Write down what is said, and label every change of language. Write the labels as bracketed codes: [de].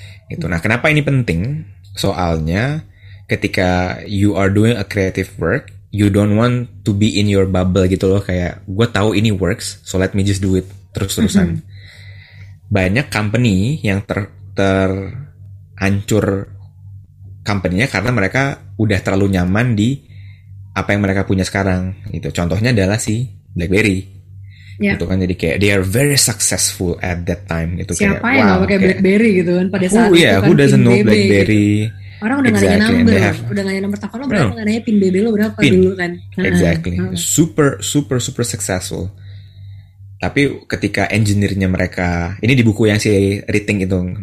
[id] Gitu. Nah, kenapa ini penting? Soalnya ketika [en] you are doing a creative work, you don't want to be in your bubble [id] gitu loh, kayak gue tahu ini [en] works, so let me just do it terus-terusan. [id] Banyak company yang terhancur company-nya karena mereka udah terlalu nyaman di apa yang mereka punya sekarang gitu. Contohnya adalah si BlackBerry. [en] Yeah. [id] Gitu kan, jadi kayak [en] they are very successful at that time gitu. [id] Siapa kayak, yang gak pakai BlackBerry gitu kan pada saat itu, [en] who doesn't know BlackBerry gitu. [id] Orang udah gak nanya number, udah gak nanya nomor telepon lo berapa, gak nanya pin BB lo berapa pin. Dulu kan [en] exactly. Super super super successful. [id] Tapi ketika engineer-nya mereka, ini di buku yang si Riting itu